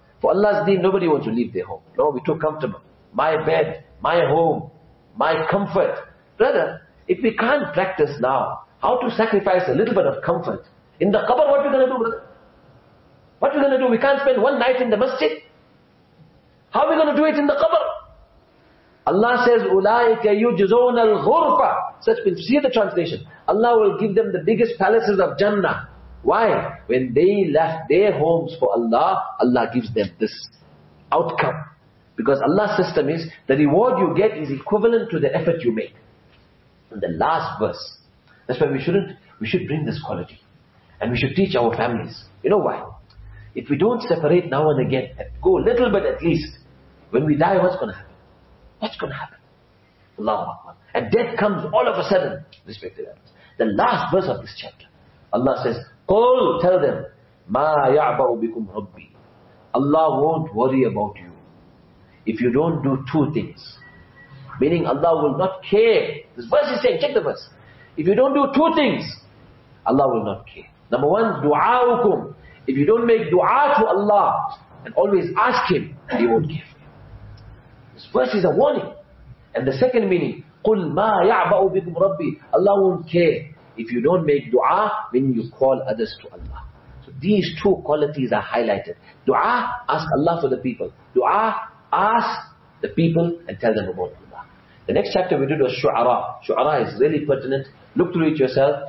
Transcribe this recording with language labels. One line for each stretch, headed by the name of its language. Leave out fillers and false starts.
English: For Allah's deen, nobody wants to leave their home. No, we're too comfortable. My bed, my home, my comfort. Brother, if we can't practice now, how to sacrifice a little bit of comfort. In the qabr, what are we going to do, brother? What are we going to do? We can't spend one night in the masjid. How are we going to do it in the qabr? Allah says,
Arabic: أُولَٰئِكَ يُجْزَوْنَ الْغُرْفَةِ.
English: So let's see the translation. Allah will give them the biggest palaces of Jannah. Why? When they left their homes for Allah, Allah gives them this outcome. Because Allah's system is, the reward you get is equivalent to the effort you make. In the last verse. That's why we should bring this quality. And we should teach our families. You know why? If we don't separate now and again, go a little bit at least, when we die, what's going to happen? What's going to happen? Allahu Akbar. And death comes all of a sudden, respected elders. The last verse of this chapter, Allah says,
Arabic: قُلْ
English: tell them,
Arabic: مَا يَعْبَعُ بِكُمْ رَبِّي.
English: Allah won't worry about you if you don't do two things. Meaning Allah will not care. This verse is saying, check the verse. If you don't do two things, Allah will not care. Number one, دُعَاءُكُمْ. If you don't make dua to Allah and always ask Him, He won't give. This verse is a warning. And the second meaning,
Arabic: قُلْ مَا يَعْبَأُ بِكُمْ رَبِّي.
English: Allah won't care if you don't make dua when you call others to Allah. So these two qualities are highlighted. Dua, ask Allah for the people. Dua, ask the people and tell them about Allah. The next chapter we did was Shu'ara. Shu'ara is really pertinent. Look through it yourself.